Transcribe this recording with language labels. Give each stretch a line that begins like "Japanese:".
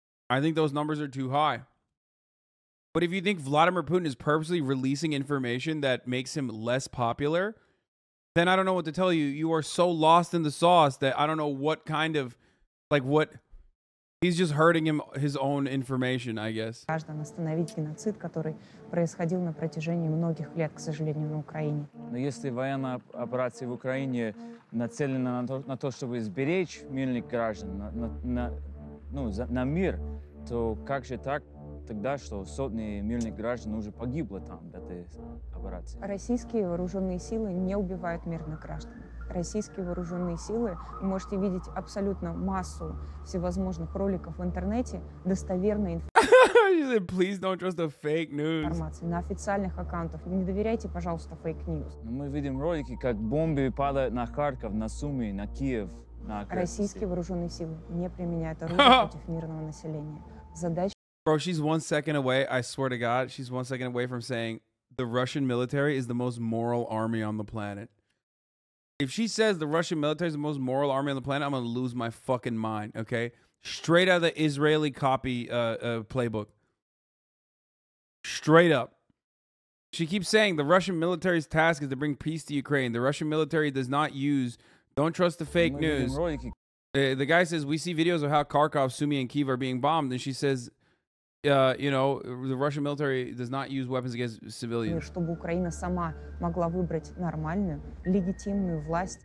English: I think those numbers are too high. But if you think Vladimir Putin is purposely releasing information that makes him less popular, then I don't know what to tell you. You are so lost in the sauce that I don't know what kind of, like, what... He's just hurting him, his own information, I guess.
Russian: Каждый остановить геноцид, который происходил на протяжении многих лет, к сожалению, на Украине. Но если военная операция в Украине нацелена на то, чтобы сберечь мирных граждан, на мир, то как же так тогда, что сотни мирных граждан уже погибло там в этой операции? Российские вооруженные силы не убивают мирных граждан. Российские вооруженные силы, вы можете видеть абсолютно массу всевозможных роликов в интернете, достоверной информации.
English: Please don't trust the fake news.
Russian: На официальных аккаунтах не доверяйте, пожалуйста, fake news. Мы видим ролики, как бомбы падают на Харьков, на Суми, на Киев. На российские вооруженные силы не применяют оружие против мирного населения. Задача.
English: Bro, she's 1 second away. I swear to God, she's 1 second away from saying the Russian military is the most moral army on the planet. If she says the Russian military is the most moral army on the planet, I'm going to lose my fucking mind, okay? Straight out of the Israeli copy playbook. Straight up. She keeps saying the Russian military's task is to bring peace to Ukraine. The Russian military does not use, don't trust the fake news. The guy says, we see videos of how Kharkov, Sumy, and Kyiv are being bombed. And she says, you know, the Russian military does not use weapons against civilians.
Russian: Чтобы Украина сама могла выбрать нормальную, легитимную власть.